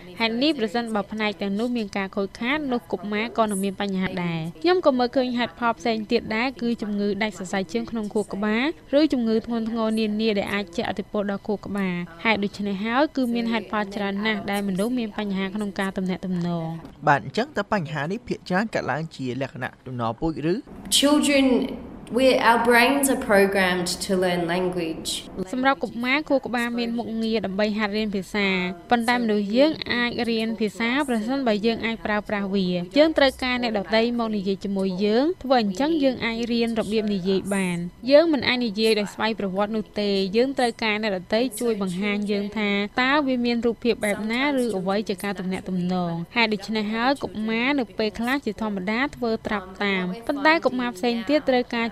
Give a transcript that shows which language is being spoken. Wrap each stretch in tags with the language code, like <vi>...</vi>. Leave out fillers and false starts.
<km>ហើយនេះប្រសិនបើផ្នែកទាំងនោះមានការខូចខាតនោះកុមារក៏នឹងមានបញ្ហាដែរខ្ញុំក៏មើលឃើញហេតុផលផ្សេងទៀតដែរគឺជំងឺដាច់សរសៃឈាមក្នុងខួរក្បាលឬជំងឺធ្ងន់ធ្ងរនានាដែលអាចជះឥទ្ធិពលដល់ខួរក្បាលហេតុដូច្នេះហើយគឺមានហេតុផលច្រើនណាស់ដែលមនុស្សមានបញ្ហាក្នុងការទំនាក់ទំនង បាទអញ្ចឹងតើបញ្ហានេះភាគច្រើនកើតឡើងជាលក្ខណៈដំណរពូជឬ</km> <en>ChildrenOur brains are programmed to learn language.</en> <km>សម្រាប់កុមារខួរក្បាលមានមុខងារដើម្បីហាត់រៀនភាសាប៉ុន្តែមនុស្សយើងអាចរៀនភាសាប្រសិនបើយើងអាចប្រើប្រាស់វាយើងត្រូវការអ្នកដទៃមកនិយាយជាមួយយើងធ្វើអញ្ចឹងយើងអាចរៀនរបៀបនិយាយបានយើងមិនអាចនិយាយដោយស្វ័យប្រវត្តិនោះទេយើងត្រូវការអ្នកដទៃជួយបង្ហាញយើងថាតើវាមានរូបភាពបែបណាឬអ្វីជាការទំនាក់ទំនងហេតុដូច្នេះហើយកុមារនៅពេលខ្លះជាធម្មតាធ្វើត្រាប់តាមប៉ុន្តែកុមារផ្សេងទៀតត្រូវការ</km>